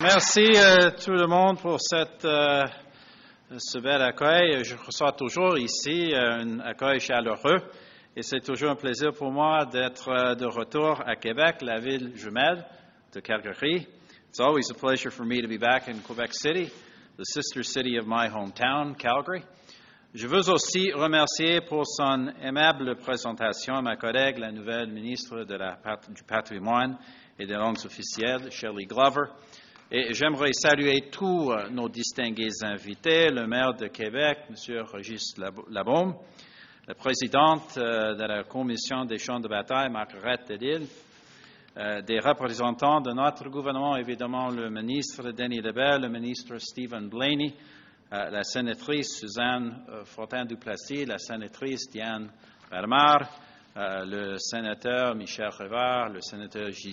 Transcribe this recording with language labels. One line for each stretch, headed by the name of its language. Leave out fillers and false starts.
French: Merci tout le monde pour ce bel accueil. Je reçois toujours ici un accueil chaleureux et c'est toujours un plaisir pour moi d'être de retour à Québec, la ville jumelle de Calgary.
English: It's always a pleasure for me to be back in Quebec City, the sister city of my hometown, Calgary.
French: Je veux aussi remercier pour son aimable présentation à ma collègue, la nouvelle ministre du patrimoine et des langues officielles, Shirley Glover. Et j'aimerais saluer tous nos distingués invités, le maire de Québec, M. Régis Labeaume, la présidente de la Commission des champs de bataille, Marguerite Delisle, des représentants de notre gouvernement, évidemment le ministre Denis Lebel, le ministre Stephen Blaney, la sénatrice Suzanne Fortin-Duplessis, la sénatrice Diane Bermard, le sénateur Michel Rivard, le sénateur